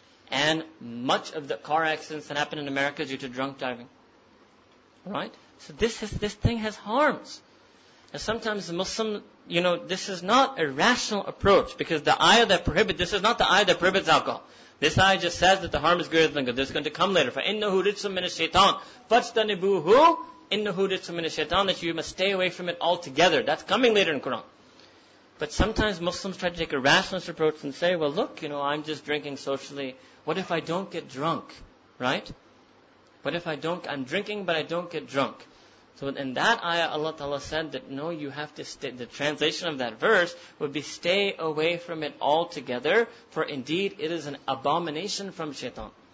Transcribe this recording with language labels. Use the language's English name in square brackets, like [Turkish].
[English] And much of the car accidents that happen in America is due to drunk driving. Right? So this thing has harms. And sometimes the Muslim, you know, this is not a rational approach, because the ayah that prohibits, this is not the ayah that prohibits alcohol. This ayah just says that the harm is greater than good. This is going to come later. [Arabic] فَإِنَّهُ رِجْسٌ مِنَ الشَّيْطَانِ [English] فَاجْتَنِبُوهُ إِنَّهُ رِجْسٌ مِنَ الشَّيْطَانِ, that you must stay away from it altogether. That's coming later in Quran. But sometimes Muslims try to take a rationalist approach and say, well look, you know, I'm just drinking socially. What if I don't get drunk? Right? What if I don't, I'm drinking but I don't get drunk. So in that ayah, Allah Ta'ala said that no, you have to stay, the translation of that verse would be stay away from it altogether, for indeed it is an abomination from shaitan.